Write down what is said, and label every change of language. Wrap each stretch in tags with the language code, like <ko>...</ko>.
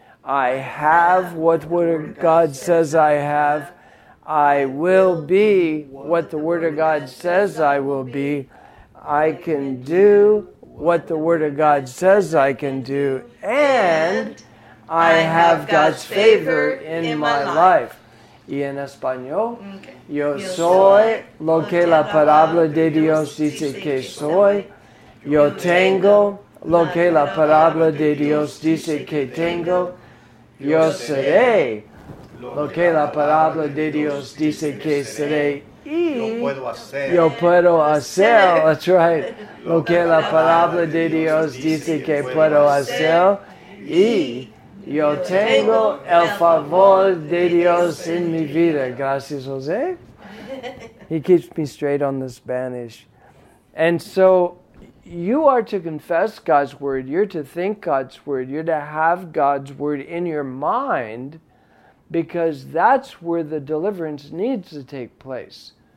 <en>I have what the Word of God says I have. I will be what the Word of God says I will be. I can do what the Word of God says I can do. And I have God's favor in my life.</en> <es>Y en español, yo soy lo que la palabra de Dios dice que soy. Yo tengo lo que la palabra de Dios dice que tengo. Yo seré lo que la palabra de Dios dice que seré. Yo puedo hacer.</es> <en>That's right.</en> <es>Lo que la palabra de Dios dice que puedo hacer. Y yo tengo el favor de Dios en mi vida.</es> <en>Gracias, José. He keeps me straight on the Spanish. And so you are to confess God's word. You're to think God's word. You're to have God's word in your mind, because that's where the deliverance needs to take place.</en>